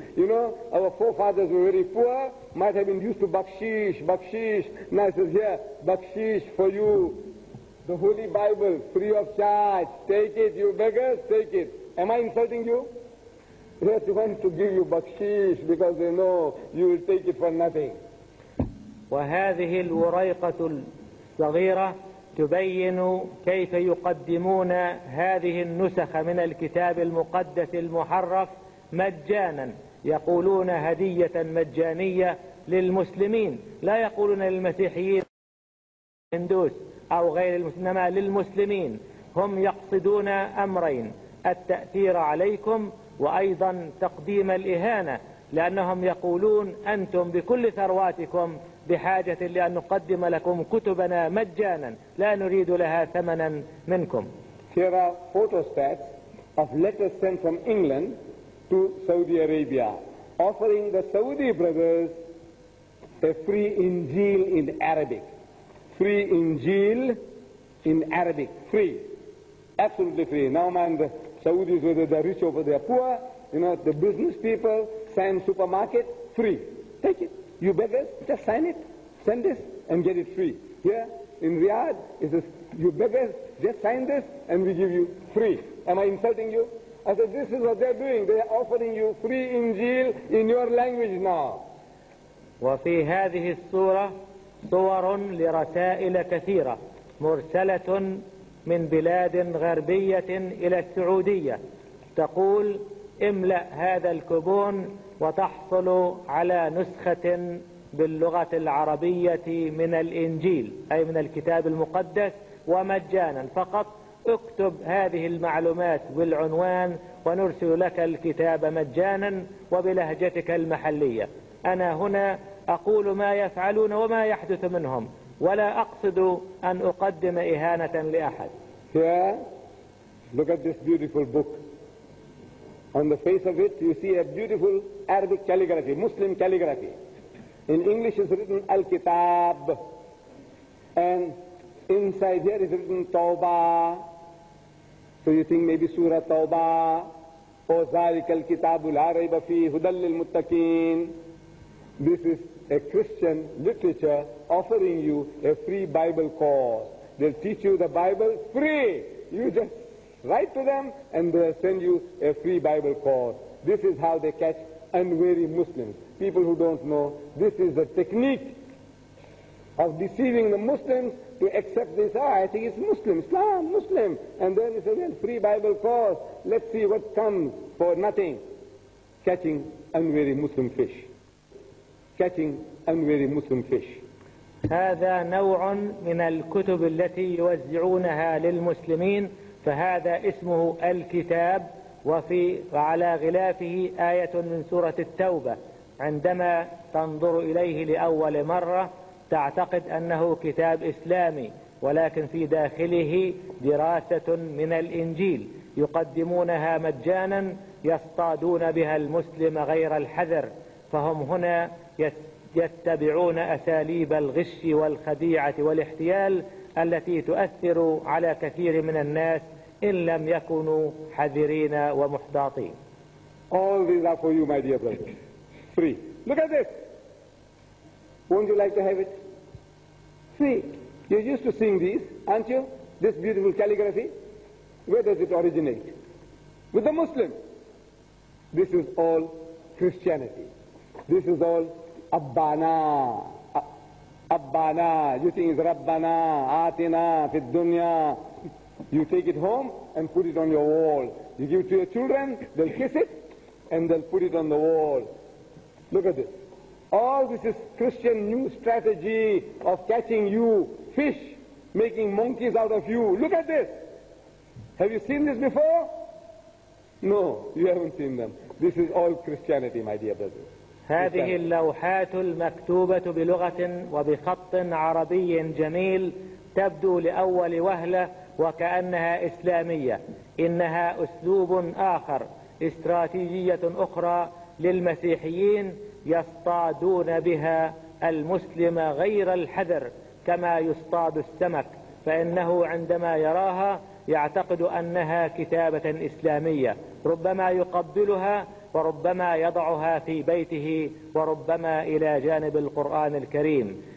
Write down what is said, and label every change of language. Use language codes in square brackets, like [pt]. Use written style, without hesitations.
[en] You know, our forefathers were very poor, might have been used to bakshish. Now it says here, bakshish for you. The Holy Bible, free of charge. Take it, you beggars, take it. Am I insulting you? They want to give you bakshish because they know you will take it for nothing. [ar] وهذه الوريقة الصغيرة تبين كيف يقدمون هذه النسخ من الكتاب المقدس المحرف مجانا. يقولون هدية مجانية للمسلمين، لا يقولون للمسيحيين الهندوس أو غير المسلمين، للمسلمين. هم يقصدون أمرين: التأثير عليكم، وأيضا تقديم الإهانة، لأنهم يقولون أنتم بكل ثرواتكم بحاجة لأن نقدم لكم كتبنا مجانا، لا نريد لها ثمنا منكم. [en] Here are photostats of letters sent from England to Saudi Arabia offering the Saudi brothers a free Injil in Arabic. Free Injil in Arabic. Free. Absolutely free. Now man, the Saudis, whether they're rich or they're poor, you know, the business people, same supermarket, free. Take it. You beggars, just sign it, send this and get it free. Here in Riyadh, it says, you beggars, just sign this and we give you free. Am I insulting you? I said, this is what they're doing. They are offering you free Injil in your language now. [ar] وفي هذه الصورة صور لرسائل كثيرة مرسلة من بلاد غربية إلى السعودية، تقول املأ هذا الكوبون وتحصل على نسخة باللغة العربية من الإنجيل، أي من الكتاب المقدس، ومجانا. فقط اكتب هذه المعلومات بالعنوان ونرسل لك الكتاب مجانا وبلهجتك المحلية. أنا هنا أقول ما يفعلون وما يحدث منهم، ولا أقصد أن أقدم إهانة لأحد. [en] Look at this beautiful book. On the face of it, you see a beautiful Arabic calligraphy, Muslim calligraphy. In English is written Al-Kitab. And inside here is written Tawbah. So you think maybe Surah Tawbah. [ar] O Zalika Al-Kitabu La-Rayba Fee Hudallil Muttaqeen. [en] This is a Christian literature offering you a free Bible course. They'll teach you the Bible free. You just write to them and they send you a free Bible course. This is how they catch unwary Muslims. People who don't know, this is the technique of deceiving the Muslims to accept this. Ah, I think it's Muslim, Islam, Muslim. And then it's a free Bible course. Let's see what comes for nothing. Catching unwary Muslim fish. Catching unwary Muslim fish. [ar] هذا نوع من الكتب التي يوزعونها للمسلمين، فهذا اسمه الكتاب، وفي وعلى غلافه آية من سورة التوبة. عندما تنظر إليه لأول مرة تعتقد أنه كتاب إسلامي، ولكن في داخله دراسة من الإنجيل، يقدمونها مجانا، يصطادون بها المسلم غير الحذر. فهم هنا يتبعون أساليب الغش والخديعة والاحتيال التي تؤثر على كثير من الناس إن لم يكونوا حذرين ومحتاطين. [en] All these are for you, my dear brother. Free. Look at this. Won't you like to have it? See, you're used to seeing these, aren't you? This beautiful calligraphy. Where does it originate? With the Muslims. This is all Christianity. This is all Abbana. Abbana. You think it's [ar] Rabbana, Atina, Fid Dunya. [en] You take it home and put it on your wall. You give it to your children, they'll kiss it, and they'll put it on the wall. Look at this. All this is Christian new strategy of catching you, fish, making monkeys out of you. Look at this. Have you seen this before? No, you haven't seen them. This is all Christianity, my dear brother. [ar] هذه اللوحات المكتوبة بلغة وبخط عربي جميل تبدو لأول وهلة وكأنها إسلامية. إنها أسلوب آخر، استراتيجية أخرى للمسيحيين يصطادون بها المسلم غير الحذر كما يصطاد السمك، فإنه عندما يراها يعتقد أنها كتابة إسلامية، ربما يقبلها وربما يضعها في بيته وربما إلى جانب القرآن الكريم.